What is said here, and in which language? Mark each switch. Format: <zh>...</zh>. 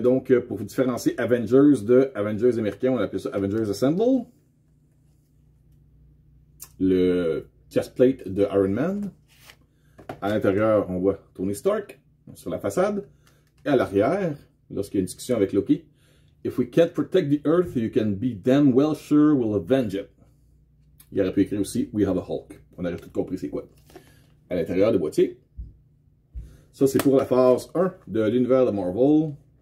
<fr>Donc, pour vous différencier Avengers de Avengers américains, on appelle ça Avengers Assemble. Le chestplate de Iron Man. À l'intérieur, on voit Tony Stark sur la façade. Et à l'arrière, lorsqu'il y a une discussion avec Loki.</fr> <en>If we can't protect the Earth, you can be damn well sure we'll avenge it.</en> <fr>Il aurait pu écrire aussi</fr> <en>We have a Hulk.</en> <fr>On aurait tout compris c'est quoi. À l'intérieur du boîtier. Ça, c'est pour la phase 1 de l'univers de Marvel.</fr>